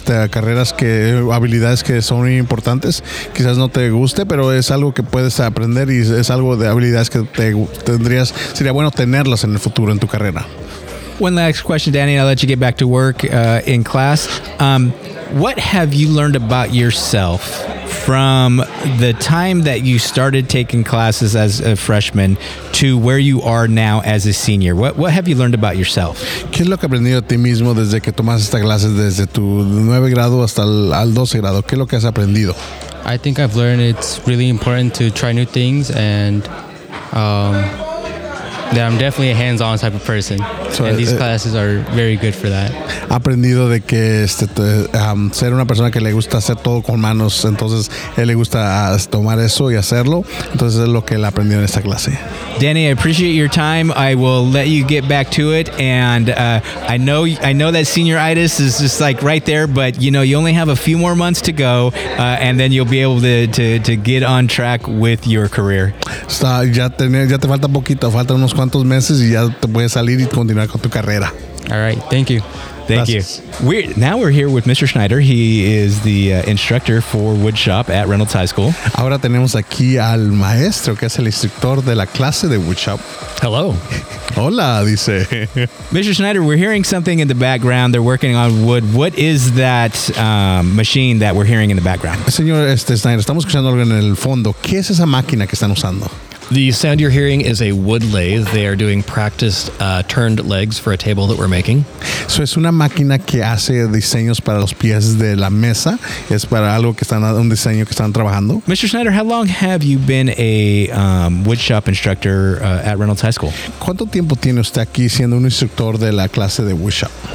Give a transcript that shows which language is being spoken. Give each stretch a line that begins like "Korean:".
Spanish: Carreras que habilidades que son muy importantes. Quizás no te guste, pero es algo que puedes aprender y es algo de habilidades que tendrías. Sería bueno tenerlas en el futuro en tu carrera.
English: One last question, Danny, and I'll let you get back to work in class. What have you learned about yourself from the time that you started taking classes as a freshman to where you are now as a senior? What have you learned about yourself?
Spanish: ¿Qué es lo que aprendido a ti mismo desde que tomaste estas clases desde tu 9 grado hasta al 12 grado? ¿Qué es lo que has aprendido?
English: I think I've learned it's really important to try new things, and that I'm definitely a hands-on type of person, so, and these classes are very good for that.
Spanish: Aprendido de que ser una persona que le gusta hacer todo con manos, entonces él le gusta tomar eso y hacerlo, entonces es lo que él aprendió en esta clase.
English: Danny, I appreciate your time. I will let you get back to it, and I know that senioritis is just like right there, but you know you only have a few more months to go, and then you'll be able to get on track with your career.
Spanish: Ya te falta poquito, falta unos cuantos meses y ya te puedes salir y continuar con tu carrera.
English: All right, thank you. Thank you. Now we're here with Mr. Schneider. He is the instructor for wood shop at Reynolds High School.
Spanish: Ahora tenemos aquí al maestro, que es el instructor de la clase de wood shop.
English: Hello.
Spanish: Hola, dice.
English: Mr. Schneider, we're hearing something in the background. They're working on wood. What is that machine that we're hearing in the background?
Spanish: Señor Schneider, estamos escuchando algo en el fondo. ¿Qué es esa máquina que están usando?
English: The sound you're hearing is a wood lathe. They are doing practice turned legs for a table that we're making.
Spanish: So es una máquina que hace diseños para los pies de la mesa. Es para algo que están un diseño que están trabajando.
English: Mr. Schneider, how long have you been a wood shop instructor at Reynolds High School?
Spanish: ¿Cuánto tiempo tiene usted aquí siendo un instructor de la clase de wood shop?